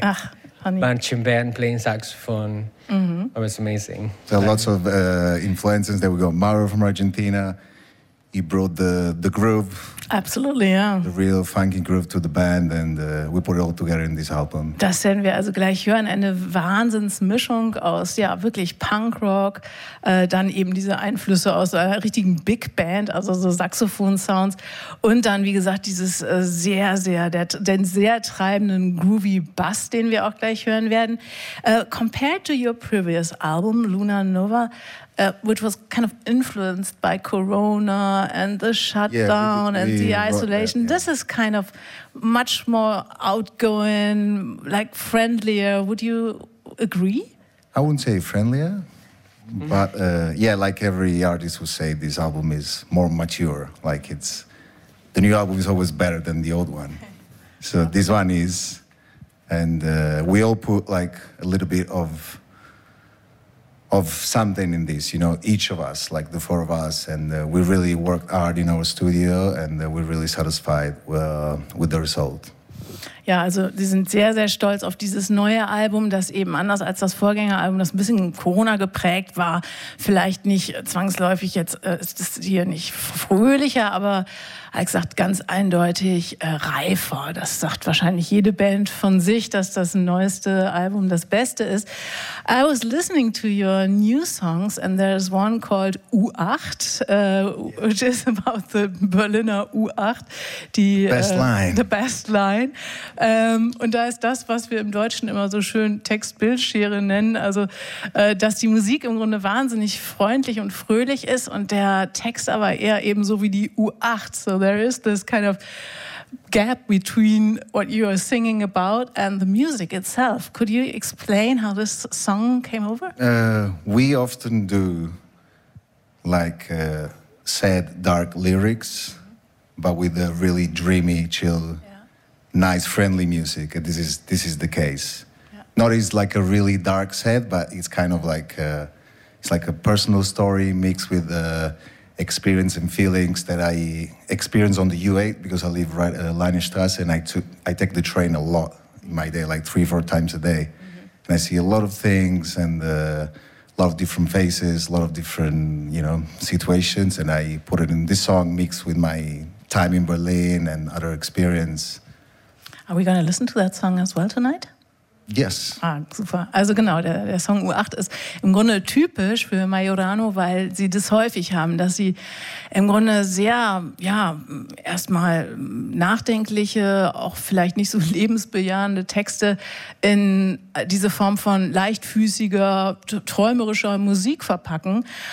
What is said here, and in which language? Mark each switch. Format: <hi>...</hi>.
<en>Ah, honey. Marching band, playing saxophone. Mm-hmm. It was amazing. So lots of influences. There we go. Mauro from Argentina. He brought the groove. Absolutely, yeah. The real funky groove to the band, and we put it all together in this album.</en> <de>Das werden wir also gleich hören. Eine Wahnsinnsmischung aus, ja, wirklich Punkrock, dann eben diese Einflüsse aus einer richtigen Big Band, also so Saxophon-Sounds, und dann, wie gesagt, dieses sehr, sehr, den sehr treibenden groovy Bass, den wir auch gleich hören werden.</de> <en>Compared to your previous album, Luna Nova, which was kind of influenced by Corona and the shutdown and the isolation. That, yeah. This is kind of much more outgoing, like friendlier. Would you agree? I wouldn't say friendlier, but like every artist would say, this album is more mature. Like it's, the new album is always better than the old one. So this one is, and we all put like a little bit of something in this, you know, each of us, like the four of us, and we really worked hard in our studio, and we're really satisfied with the result.</en> <de>Ja, also sie sind sehr, sehr stolz auf dieses neue Album, das eben anders als das Vorgängeralbum, das ein bisschen Corona geprägt war, vielleicht nicht zwangsläufig jetzt, ist es hier nicht fröhlicher, aber Alex sagt ganz eindeutig reifer. Das sagt wahrscheinlich jede Band von sich, dass das neueste Album das Beste ist.</de> <en>I was listening to your new songs and there's one called U8, which is about the Berliner U8. The best line. The best line.</en> <de>Und da ist das, was wir im Deutschen immer so schön Textbildschere nennen, also dass die Musik im Grunde wahnsinnig freundlich und fröhlich ist und der Text aber eher eben so wie die U8.</de> <en>So there is this kind of gap between what you are singing about and the music itself. Could you explain how this song came over? We often do like sad, dark lyrics, but with a really dreamy, chill, nice, friendly music. This is the case. Yeah. not as like a really dark set, but it's kind of like it's like a personal story mixed with experience and feelings that I experience on the U8 because I live right at Leinestrasse, and I take the train a lot in my day, like 3-4 times a day. Mm-hmm. And I see a lot of things and a lot of different faces, a lot of different, you know, situations. And I put it in this song mixed with my time in Berlin and other experience. Are we going to listen to that song as well tonight? Yes. Ah, super.</en> <de>Also genau, der Song U8 ist im Grunde typisch für Majorano, weil sie das häufig haben, dass sie im Grunde sehr, ja, erstmal nachdenkliche, auch vielleicht nicht so lebensbejahende Texte in diese Form von leichtfüßiger, träumerischer Musik verpacken.</de>